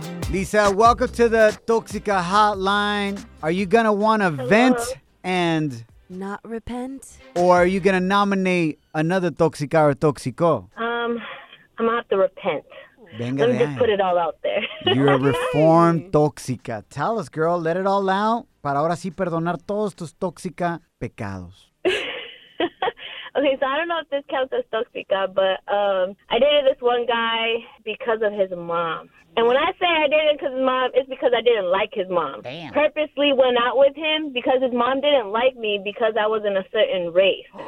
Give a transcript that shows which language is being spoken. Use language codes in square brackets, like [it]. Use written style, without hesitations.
[en] Lisa, welcome to the Toxica Hotline. Are you going to want to vent? And not repent? Or are you going to nominate another toxica or toxico? I'm going to have to repent. [es] Venga, [en] let me just put it all out there. You're a reformed toxica. Tell us, girl. Let it all out. [es] Para ahora sí perdonar todos tus toxica pecados. [en] Okay, so I don't know if this counts as toxica, but I dated this one guy because of his mom. And when I say I dated because his mom, it's because I didn't like his mom. Damn. Purposely went out with him because his mom didn't like me because I was in a certain race.